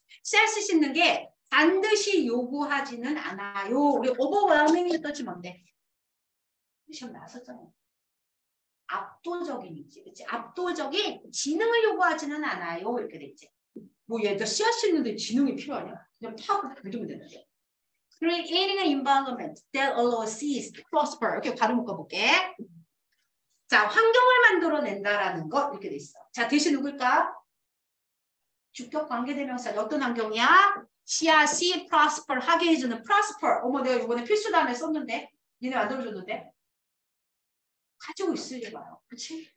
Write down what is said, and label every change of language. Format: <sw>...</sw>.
<ko>씨앗 심는 게 반드시 요구하지는 않아요. 우리 overwhelming의 뜻이 뭔데? 시험 나왔었잖아. 압도적인이지. 그치? 압도적인 지능을 요구하지는 않아요. 이렇게 됐지. 뭐 얘들 씨앗 심는데 지능이 필요하냐? 그냥 파고 그리면 되는데.</ko> <en>Creating an environment that allows seeds to prosper.</en> <ko>이렇게 발음 묶어볼게. 자, 환경을 만들어낸다라는 거 이렇게 돼 있어. 자, 대신 누굴까? 주격 관계대명사 어떤 환경이야? 씨앗이 prosper 하게 해주는 prosper. 어머, 내가 이번에 필수 단어 썼는데, 얘네 만들어줬는데 가지고 있을지 봐요. 그렇지?</ko>